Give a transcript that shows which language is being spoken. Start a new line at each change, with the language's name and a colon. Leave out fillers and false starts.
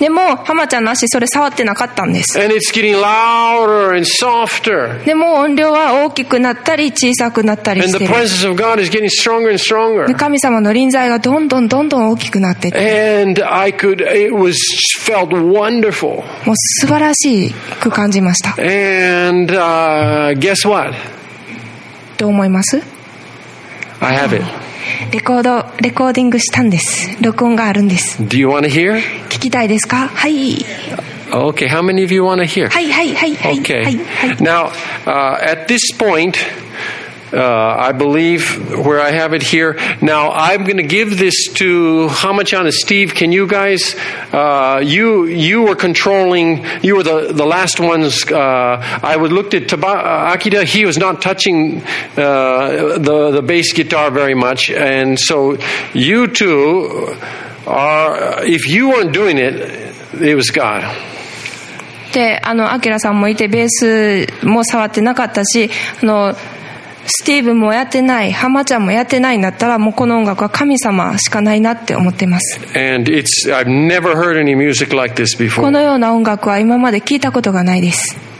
Japanese: でも浜ちゃんの足それ触ってなかったんです。
English: And it's getting louder and softer.
Japanese: でも音量は大きくなったり小さくなったりしてる。
English: And the presence of God is getting stronger and stronger.
Japanese: 神様の臨在がどんどんどんどん大きくなってって。
English: And I could, it was felt wonderful.
Japanese: もう素晴らしく感じました。
English: And, guess what?
Japanese: どう思います?
English: I have it.
Japanese: レコーディングしたんです。録音があるんです。
English: Do you want to hear?
Japanese: 聞きたいですか?はい。
English: Okay, how many of you want to hear?
Japanese: はいはいはいはい。
English: Okay.
Japanese: はい、
English: Now, at this point, I believe where I have it here. Now, I'm going to give this to Hamachan and Steve. Can you guys, you were controlling, you were the last ones. I would look at Akita. He was not touching the bass guitar very much. And so you two are, if you weren't doing it, it was God.
Japanese: で、アキラさんもいて、ベースも触ってなかったし、スティーブもやってない、ハマちゃんもやってないんだったら、もうこの音楽は神様しかないなって思ってます。
English: And it's, I've never heard any music like this before.
Japanese: このような音楽は今まで聞いたことがないです。